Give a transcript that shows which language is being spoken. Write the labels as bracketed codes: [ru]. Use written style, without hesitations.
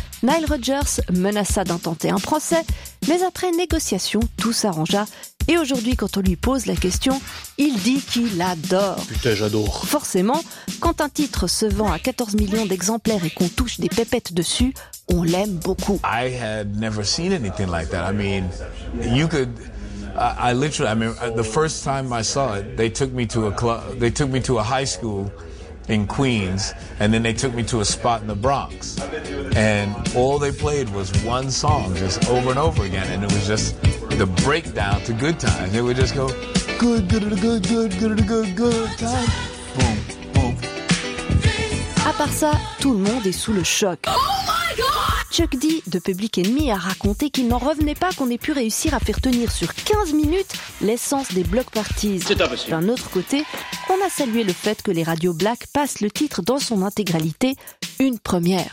[fr] Nile Rodgers menaça d'intenter un procès, mais après négociation, tout s'arrangea. Et aujourd'hui, quand on lui pose la question, il dit qu'il adore. Putain, j'adore. Forcément, quand un titre se vend à 14 millions d'exemplaires et qu'on touche des pépettes dessus, on l'aime beaucoup. [en] I had never seen anything like that. I mean, you could... I mean, the first time I saw it, they took me to a club, they took me to a high school in Queens, and then they took me to a spot in the Bronx. And all they played was one song, just over and over again, and it was just the breakdown to Good Time. They would just go, good, good, good, good, good, good, good time. Boom, boom. [fr] À part ça, tout le monde est sous le choc. Chuck D de Public Enemy a raconté qu'il n'en revenait pas qu'on ait pu réussir à faire tenir sur 15 minutes l'essence des block parties. C'est impossible. D'un autre côté, on a salué le fait que les radios black passent le titre dans son intégralité, une première.